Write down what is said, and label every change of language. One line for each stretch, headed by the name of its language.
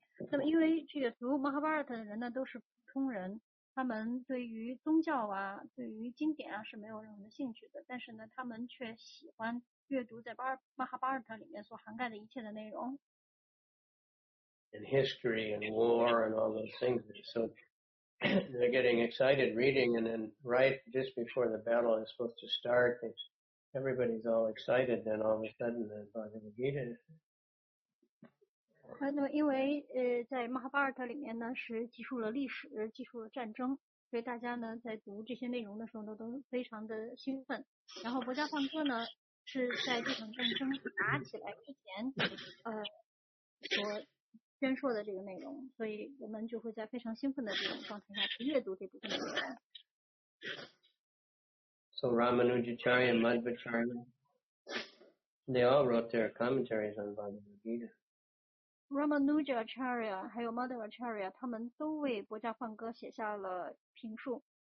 Chinese: 那么因为这个读 Mahabharata 的人呢都是普通人，他们对于宗教啊对于经典啊是没有任何的兴趣的，但是呢他们却喜欢阅读在 Mahabharata 里面所涵盖的一切的内容。
English: And history and war and all those things. So they're getting excited reading and then right just before the battle is supposed to start, everybody's all excited, then all of a sudden the Bhagavad Gita is...
Chinese: 那么因为在 Mahabharata 里面呢是记述了历史记述了战争，所以大家呢在读这些内容的时候都非常的兴奋，然后博家梵歌呢是在这场战争打起来之前所宣说的这个内容，所以我们就会在非常兴奋的这种状态下去阅读这部分内容。
English: So Ramanujacharya and Madhvacharya, they all wrote their commentaries on Bhagavad Gita.
Chinese: Ramanujacharya 还有 Madhvacharya 他们都为博迦梵歌写下了评述。